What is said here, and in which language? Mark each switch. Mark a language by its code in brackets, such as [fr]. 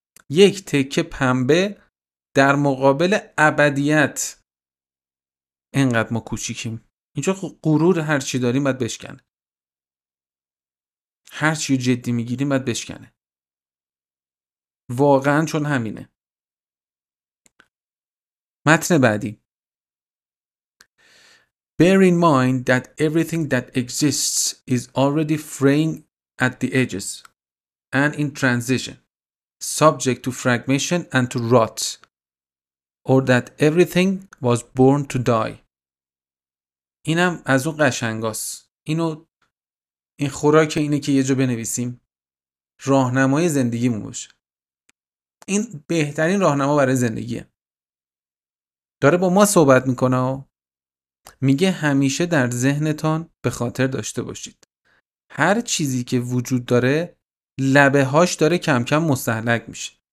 [fa] یک تکه پنبه در مقابل ابدیت. اینقدر ما کوچیکیم. اینجا غرور هرچی داریم باید بشکنه. هرچی جدی میگیریم باید بشکنه. واقعا چون همینه. متن بعدی: [en] Bear in mind that everything that exists is already fraying at the edges and in transition, subject to fragmentation and to rot, or that everything was born to die. [fa] اینم از اون قشنگاست. اینو این خوراک اینه که یه جا بنویسیم، راهنمای زندگیمون باشه. این بهترین راهنما برای زندگیه. داره با ما صحبت میکنه و میگه همیشه در ذهنتان به خاطر داشته باشید هر چیزی که وجود داره لبه هاش داره کم کم مستهلک میشه.